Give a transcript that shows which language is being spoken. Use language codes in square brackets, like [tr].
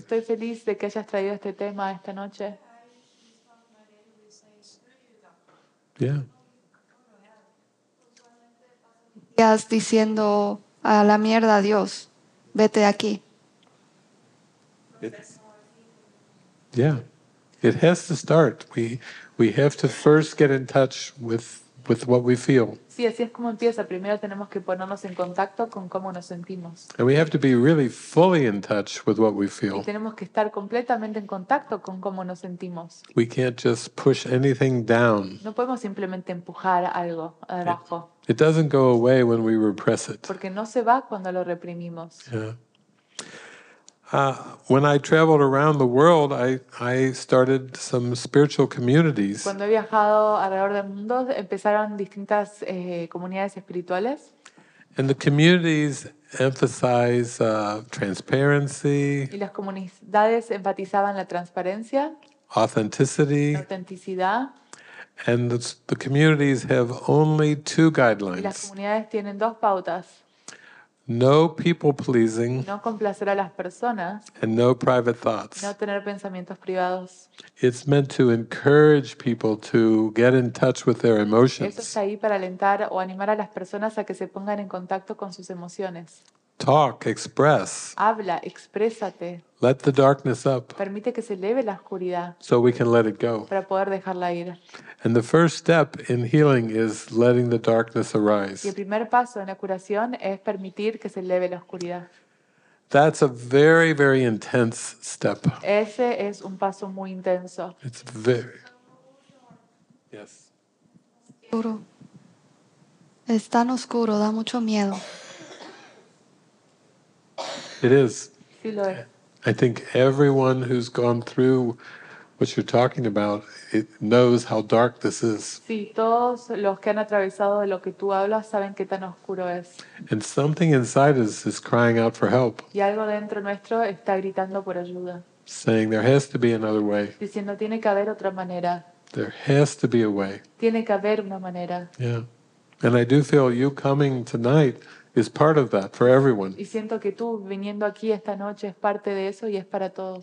[es] Estoy feliz de que hayas traído este tema esta noche. Yeah. Diciendo a la mierda a Dios, vete de aquí. [en] It has to start. We have to first get in touch with what we feel. [es] Sí, así es como empieza. Primero tenemos que ponernos en contacto con cómo nos sentimos. [en] And we have to be really fully in touch with what we feel. [es] Y tenemos que estar completamente en contacto con cómo nos sentimos. [en] We can't just push anything down. [es] No podemos simplemente empujar algo abajo. [en] It doesn't go away when we repress it. [es] Porque no se va cuando lo reprimimos. Yeah. [en] When I traveled around the world, I started some spiritual communities. [es] Cuando he viajado alrededor del mundo, empezaron distintas comunidades espirituales. [en] And the communities emphasize transparency. [es] Y las comunidades enfatizaban la transparencia. [en] Authenticity. [es] La autenticidad. [en] And the communities have only two guidelines. [es] Las comunidades tienen dos pautas. [en] No people pleasing. [es] No complacer a las personas. [en] And no private thoughts. [es] No tener pensamientos privados. [en] It's meant to encourage people to get in touch with their emotions. [es] Esto está ahí para alentar o animar a las personas a que se pongan en contacto con sus emociones. [en] Talk, express. [es] Habla, exprésate. [en] Let the darkness up. [es] Permite que se eleve la oscuridad. [en] So we can let it go. [es] Para poder dejarla ir. [en] And the first step in healing is letting the darkness arise. [es] Y el primer paso en la curación es permitir que se eleve la oscuridad. [en] That's a very, very intense step. [es] Ese es un paso muy intenso. [en] It's very. Yes. [es] Oscuro. Es tan oscuro, da mucho miedo. [en] It is. [es] Sí, lo es. [en] I think everyone who's gone through what you're talking about, it knows how dark this is. [es] Sí, todos los que han atravesado de lo que tú hablas saben qué tan oscuro es. [en] And something inside us is crying out for help. [es] Y algo dentro nuestro está gritando por ayuda. [en] Saying there has to be another way. [es] Diciendo tiene que haber otra manera. [en] There has to be a way. [es] Tiene que haber una manera. Yeah. [en] And I do feel you coming tonight is part of that for everyone. [es] Y siento que tú viniendo aquí esta noche es parte de eso y es para todos.